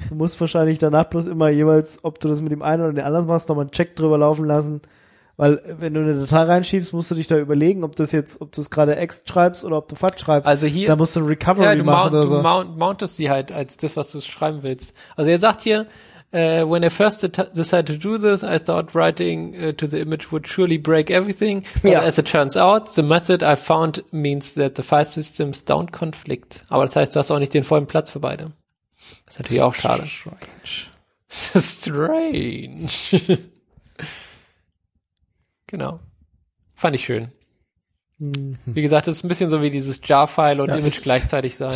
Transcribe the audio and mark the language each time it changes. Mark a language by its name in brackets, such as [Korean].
[German] Du musst wahrscheinlich danach bloß immer jeweils, ob du das mit dem einen oder dem anderen machst, nochmal einen Check drüber laufen lassen. Weil wenn du eine Datei reinschiebst, musst du dich da überlegen, ob du es gerade ext schreibst oder ob du FAT schreibst. Also hier, da musst du ein Recovery machen. Mountest die halt als das, was du schreiben willst. Also er sagt hier, [English] when I first decided to do this, I thought writing to the image would surely break everything. But as it turns out, the method I found means that the file systems don't conflict. [German] Aber das heißt, du hast auch nicht den vollen Platz für beide. Das ist natürlich auch schade. [English] Strange. [German] Genau. Fand ich schön. Mhm. Wie gesagt, das ist ein bisschen so wie dieses Jar-File und ja, Image gleichzeitig sein.